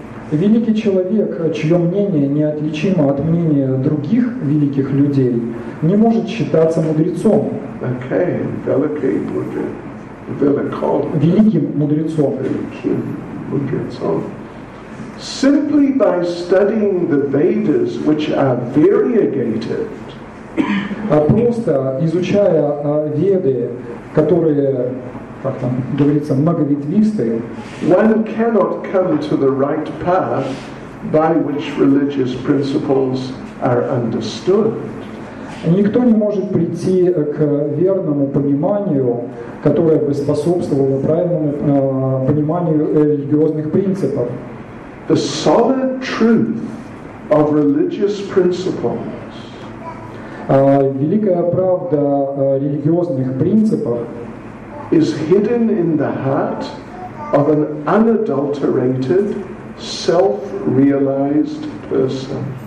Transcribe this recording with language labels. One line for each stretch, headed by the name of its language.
Russian: Великий человек, чье мнение неотличимо от мнения других великих людей, не может считаться мудрецом. Okay, великий мудрец. Великим мудрецом. Великим мудрецом.
English: Simply by studying the Vedas, which are variegated.
Russian: Просто изучая Веды, которые, как там говорится, многоветвистые.
English: One cannot come to the right path by which religious principles are understood.
Russian: Никто не может прийти к верному пониманию, которое бы способствовало правильному пониманию религиозных принципов.
English: The solid truth of religious principles.
Russian: Великая правда религиозных принципов
English: is hidden in the heart of an unadulterated, self-realized person.